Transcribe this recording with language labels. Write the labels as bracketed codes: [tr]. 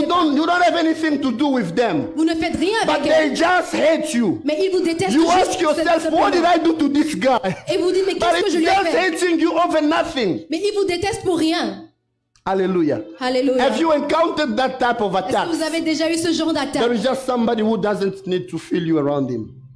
[en] You don't have anything to do with them. [fr] Vous ne faites rien avec [en] eux. But they just hate you. [fr] Mais ils vous détestent. [en] You ask yourself, what did I do to this guy? [fr] Et vous dites, mais qu'est-ce que je lui ai fait? [en] But they're hating you over nothing. [fr] Mais ils vous détestent pour rien. Hallelujah. Hallelujah. [en] Have you encountered that type of attack? [fr] Est-ce que vous avez déjà eu ce genre d'attaque? [en] There is just somebody who doesn't need to feel you around him.